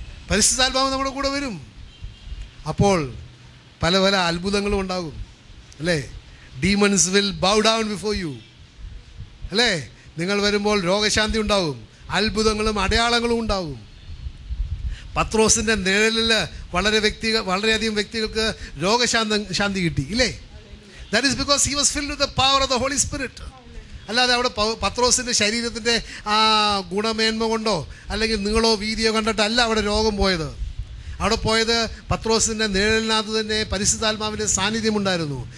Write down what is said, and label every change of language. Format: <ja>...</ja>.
<ml>പരിശുദ്ധാത്മാവ് നമ്മുടെ കൂടെ വരും. അപ്പോൾ പല പല അത്ഭുതങ്ങളും ഉണ്ടാകും, അല്ലേ?</ml> <en>demons will bow down before you,</en> <ml>അല്ലേ? നിങ്ങൾ വരുമ്പോൾ രോഗശാന്തി ഉണ്ടാകും, അത്ഭുതങ്ങളും അടയാളങ്ങളും ഉണ്ടാകും. പത്രോസിൻ്റെ നിഴലിൽ വളരെയധികം വ്യക്തികൾക്ക് രോഗശാന്തി കിട്ടി, ഇല്ലേ?</ml> <en>That is because he was filled with the power of the Holy Spirit.</en> <ml>അല്ലാതെ അവിടെ പത്രോസിൻ്റെ ശരീരത്തിൻ്റെ ആ ഗുണമേന്മ കൊണ്ടോ അല്ലെങ്കിൽ നിങ്ങളോ വീതിയോ കണ്ടിട്ടല്ല അവിടെ രോഗം പോയത്. അവിടെ പോയത് പത്രോസിൻ്റെ നിഴലിനകത്ത് തന്നെ പരിശുദ്ധാത്മാവിൻ്റെ സാന്നിധ്യം ഉണ്ടായിരുന്നു.</ml>